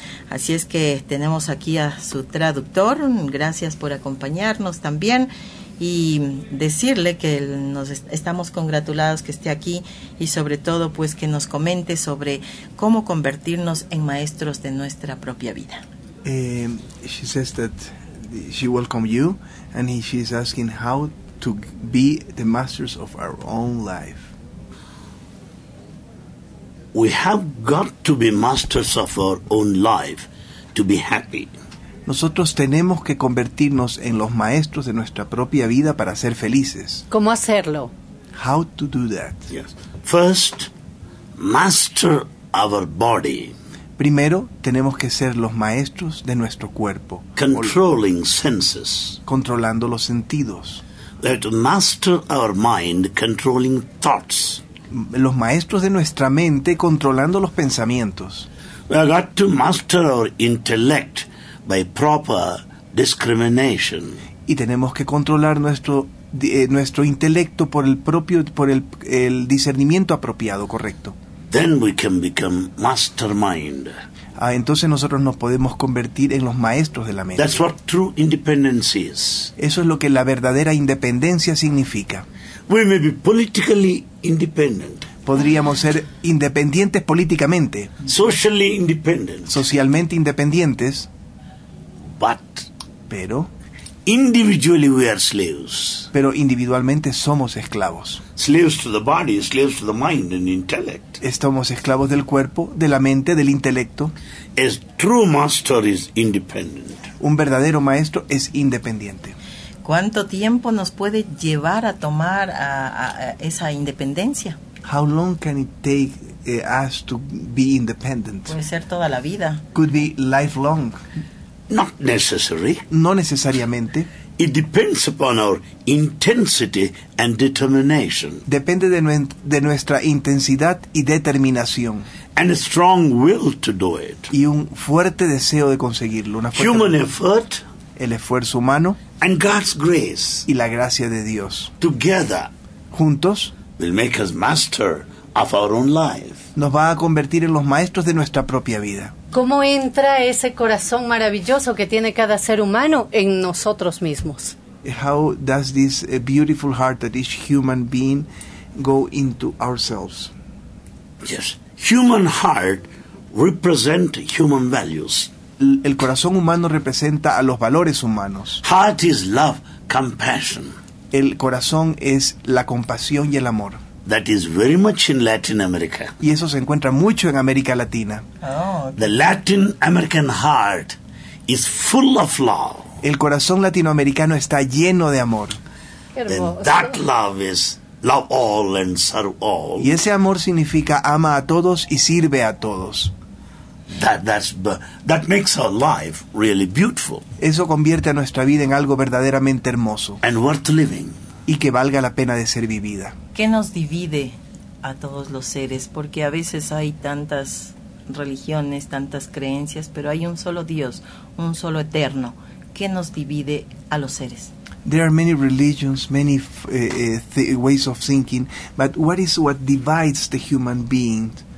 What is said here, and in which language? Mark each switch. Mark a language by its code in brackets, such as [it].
[es] Así es que tenemos aquí a su traductor. Gracias por acompañarnos también. Y decirle que estamos congratulados que esté aquí y sobre todo pues que nos comente sobre cómo convertirnos en maestros de nuestra propia vida. [en] She says that she welcome you and she is asking how to be the masters of our own life. We have got to be masters of our own life to be happy. [es] Nosotros tenemos que convertirnos en los maestros de nuestra propia vida para ser felices. ¿Cómo hacerlo? [en] How to do that? Yes. First, master our body. [es] Primero, tenemos que ser los maestros de nuestro cuerpo. [en] Controlling senses. [es] Controlando los sentidos. [en] We have to master our mind, controlling thoughts. [es] Los maestros de nuestra mente controlando los pensamientos. [en] We have got to master our intellect by proper discrimination. [es] Y tenemos que controlar nuestro intelecto por el discernimiento apropiado, correcto. [en] Then we can become mastermind. [es] Entonces nosotros nos podemos convertir en los maestros de la mente. [en] That's what true independence is. [es] Eso es lo que la verdadera independencia significa. [en] We may be politically independent. [es] Podríamos ser independientes políticamente. [en] Socially independent. [es] Socialmente independientes. Pero [en] individually we are slaves. [es] Pero individualmente somos esclavos. [en] Slaves to the body, slaves to the mind and intellect. [es] Estamos esclavos del cuerpo, de la mente, del intelecto. [en] A true master is independent. [es] Un verdadero maestro es independiente. ¿Cuánto tiempo nos puede llevar a tomar esa independencia? [en] How long can it take us to be independent? [es] Puede ser toda la vida. [en] Could be lifelong. Not necessary. [es] No necesariamente. [en] It depends upon our intensity and determination. [es] Depende de nuestra intensidad y determinación. [en] And a strong will to do it. [es] Y un fuerte deseo de conseguirlo. [en] Human effort. [es] El esfuerzo humano. [en] And God's grace. [es] Y la gracia de Dios. [en] Together. [es] Juntos. [en] Will make us master of our own life. [es] Nos va a convertir en los maestros de nuestra propia vida. ¿Cómo entra ese corazón maravilloso que tiene cada ser humano en nosotros mismos? [en] How does this beautiful heart that each human being go into ourselves? Yes, human heart represent human values. [es] El corazón humano representa a los valores humanos. [en] Heart is love, compassion. [es] El corazón es la compasión y el amor. [en] That is very much in Latin America. [es] Y eso se encuentra mucho en América Latina. [en] Oh, okay. The Latin American heart is full of love. [es] El corazón latinoamericano está lleno de amor. [en] Then that love is love all and serve all. [es] Y ese amor significa ama a todos y sirve a todos. [en] That makes our life really beautiful. [es] Eso convierte a nuestra vida en algo verdaderamente hermoso. [en] And worth living. [es] Y que valga la pena de ser vivida. ¿Qué nos divide a todos los seres? Porque a veces hay tantas religiones, tantas creencias, pero hay un solo Dios, un solo eterno. ¿Qué nos divide a los seres? [en] There are many religions, many ways of thinking, but what is what divides the human being?